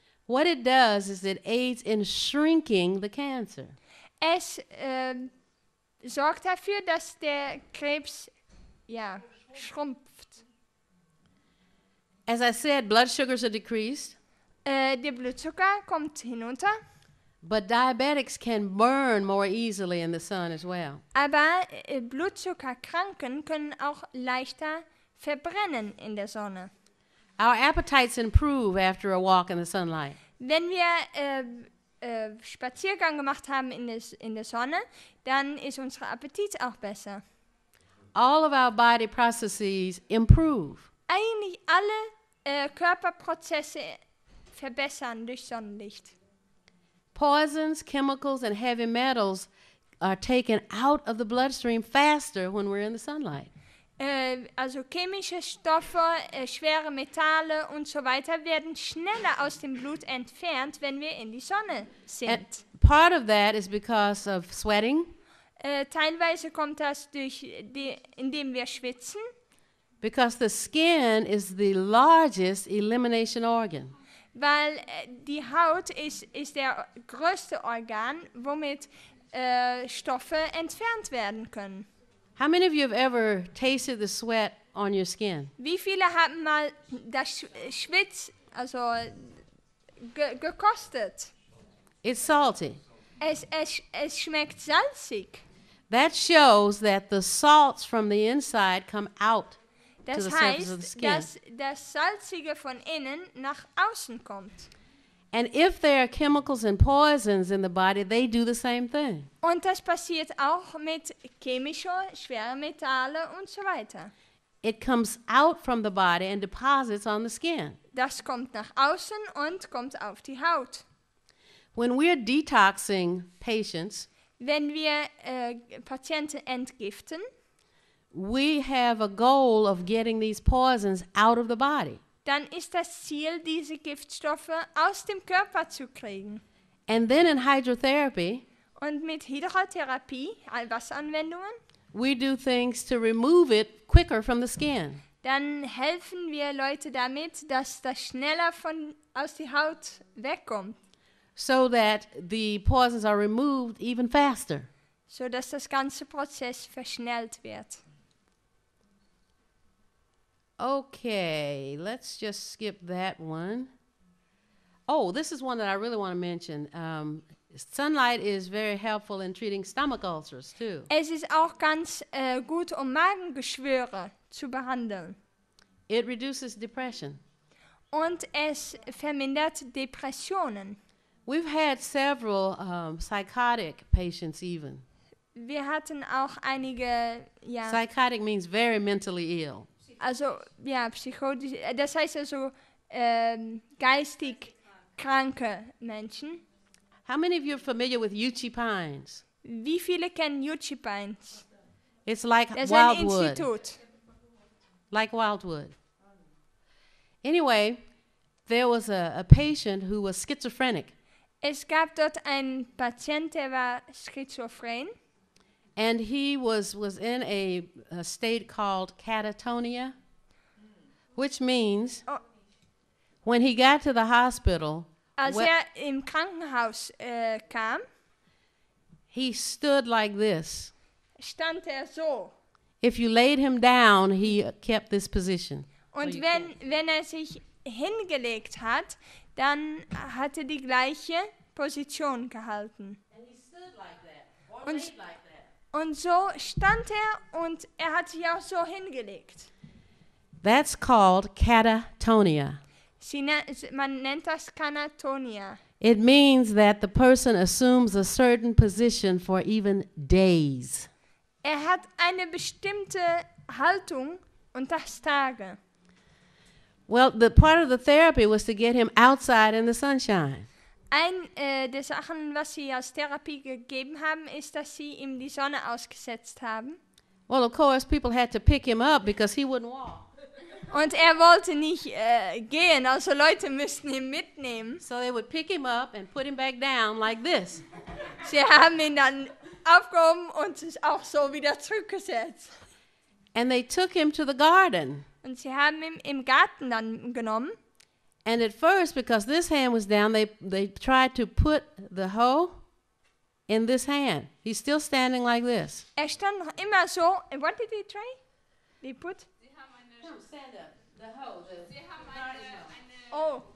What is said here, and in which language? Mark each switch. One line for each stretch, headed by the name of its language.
English: What it does is it aids in shrinking the cancer.
German: Es sorgt dafür, dass der Krebs, ja, schrumpft.
English: As I said, blood sugars are decreased.
German: Der Blutzucker kommt hinunter.
English: But diabetics can burn more easily in the sun as well.
German: Aber Blutzuckerkranken können auch leichter verbrennen in der Sonne.
English: Our appetites improve after a walk in the sunlight.
German: Wenn wir Spaziergang gemacht haben in der Sonne, dann ist unser Appetit auch besser.
English: All of our body processes improve.
German: Eigentlich alle Körperprozesse verbessern durch Sonnenlicht.
English: Poisons, chemicals and heavy metals are taken out of the bloodstream faster when we're in the sunlight.
German: Also chemische Stoffe, schwere Metalle und so weiter werden schneller aus dem Blut entfernt, wenn wir in die Sonne sind.
English: And part of that is because of sweating.
German: Teilweise kommt das durch indem wir schwitzen.
English: Because the skin is the largest elimination organ.
German: Weil die Haut ist der größte Organ, womit Stoffe entfernt werden können.
English: How many of you have ever tasted the sweat on your skin?
German: Wie viele haben mal das Schwitz, also gekostet?
English: It's salty.
German: Es schmeckt salzig.
English: That shows that the salts from the inside come out
German: das
English: to the
German: heißt,
English: surface of the skin.
German: Das heißt, dass das Salzige von innen nach außen kommt.
English: And if there are chemicals and poisons in the body, they do the same thing.
German: Und das passiert auch mit chemischen, schweren Metallen und so weiter.
English: It comes out from the body and deposits on the skin.
German: Das kommt nach außen und kommt auf die Haut.
English: When we're detoxing patients,
German: wenn wir Patienten entgiften,
English: we have a goal of getting these poisons out of the body.
German: Dann ist das Ziel, diese Giftstoffe aus dem Körper zu kriegen.
English: And then in hydrotherapy,
German: und mit Hydrotherapie, Wasseranwendungen,
English: we do things to remove it quicker from the skin.
German: Dann helfen wir Leute damit, dass das schneller aus der Haut wegkommt.
English: So that the poisons are removed even faster.
German: So dass das ganze Prozess verschnellt wird.
English: Okay, let's just skip that one. Oh, this is one that I really want to mention. Sunlight is very helpful in treating stomach ulcers, too.
German: Es ist auch ganz gut, um Magengeschwüre zu behandeln.
English: It reduces depression.
German: Und es vermindert Depressionen.
English: We've had several psychotic patients even.
German: Wir hatten auch einige, ja.
English: Psychotic means very mentally ill.
German: Also, ja, psychotisch, das heißt also geistig kranke Menschen.
English: How many of you are familiar with yuchi pines?
German: Wie viele kennen yuchi pines?
English: It's like
German: das
English: wildwood.
German: Ist ein Institut.
English: Like wildwood. Anyway, there was a patient who was schizophrenic.
German: Es gab dort einen Patient, der war schizophren.
English: And he was in a state called catatonia, which means when he got to the hospital,
German: Als hij in het krankenhuis kwam,
English: he stood like this.
German: Stand er zo.
English: If you laid him down, he kept this position.
German: Und wenn er sich hingelegt hat, dann hat er die gleiche Position gehalten.
English: And he stood like that, or und, laid like that.
German: Und so stand er und er hat sich auch so hingelegt.
English: That's called catatonia.
German: Man nennt das Katatonie.
English: It means that the person assumes a certain position for even days.
German: Er hat eine bestimmte Haltung und das Tage.
English: Well, the part of the therapy was to get him outside in the sunshine.
German: Der Sachen, was sie als Therapie gegeben haben, ist, dass sie ihm die Sonne ausgesetzt haben.
English: Well, of course, people had to pick him up because he wouldn't walk.
German: Und er wollte nicht gehen, also Leute müssten ihn mitnehmen.
English: So they would pick him up and put him back down like this.
German: Sie haben ihn dann aufgehoben und es auch so wieder zurückgesetzt.
English: And they took him to the garden.
German: Und sie haben ihn im Garten dann genommen.
English: And at first, because this hand was down, they tried to put the hoe in this hand. He's still standing like this.
German: Er stand noch immer so.
English: And what did he try? They put... Stand up, the hoe, the garden hoe.